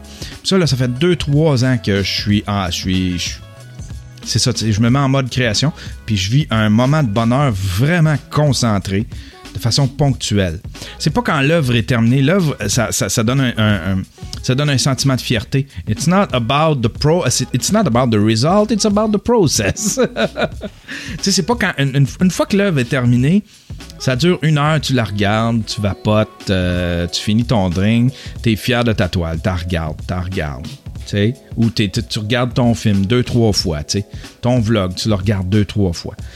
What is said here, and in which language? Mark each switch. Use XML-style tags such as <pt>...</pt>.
<fr>Puis ça, là, ça fait 2-3 ans que je suis. C'est ça, tu sais, je me mets en mode création. Puis je vis un moment de bonheur vraiment concentré, de façon ponctuelle. C'est pas quand l'œuvre est terminée. L'œuvre, ça donne un sentiment de fierté.</fr> <en>It's not about the it's not about the result, it's about the process.</en> <fr>Tu sais, c'est pas quand. Une fois que l'œuvre est terminée. Ça dure une heure, tu la regardes, tu vapotes, tu finis ton drink, t'es fier de ta toile, t'en regardes, tu sais. Ou tu regardes ton film 2-3 fois, tu sais. Ton vlog, tu le regardes 2-3 fois.</fr>